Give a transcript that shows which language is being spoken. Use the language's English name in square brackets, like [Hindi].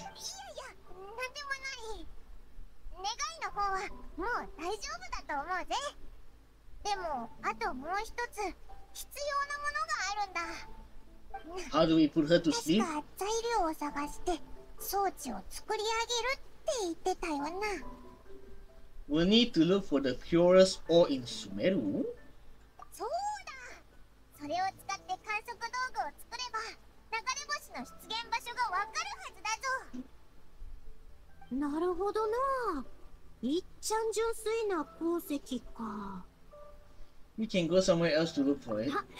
[Japanese] いやいや、なんでもない。願いの方はもう大丈夫だと思うぜ。でもあともう一つ必要なものがあるんだ。 [English] How do we put her to sleep? [Japanese] 確か材料を探して装置を作り上げるって言ってたよな。 [English] We need to look for the purest ore in Sumeru? [Japanese] そうだ。それを使って観測道具を作れば流れ星の出現場所がわかるはずだぞ。なるほどな。いっちゃん純粋な鉱石か。 [English] We can go somewhere else to look for it.